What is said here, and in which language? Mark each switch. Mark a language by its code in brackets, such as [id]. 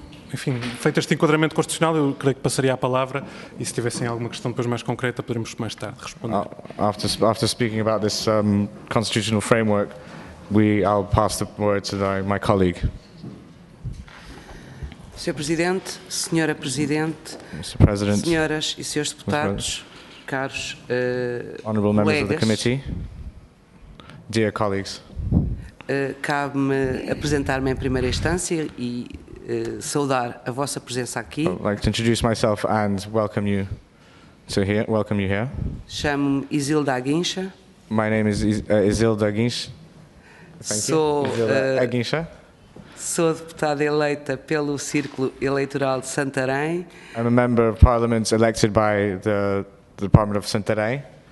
[pt] Enfim, feito este enquadramento constitucional, eu creio que passaria a palavra e se tivessem alguma questão depois mais concreta, poderemos mais tarde responder. [en] After speaking about this constitutional framework, I'll pass the word to my colleague. [pt] Sr. Presidente, Sra. Presidente, [en] Mr. President, [pt] Senhoras e Srs. Deputados, caros [en] honorable [pt] colegas, [en] members of the committee, dear colleagues, [pt] cabe-me apresentar-me em primeira instância e saudar a vossa presença aqui. [en] I'd like to introduce myself and welcome you to here. Welcome you here. [pt] Chamo-me Isilda Aguincha. [en] My name is Isilda Aguincha. [pt] Sou deputada eleita pelo Círculo Eleitoral de Santarém. [en] I'm a member of parliament elected by the Department of Santarém.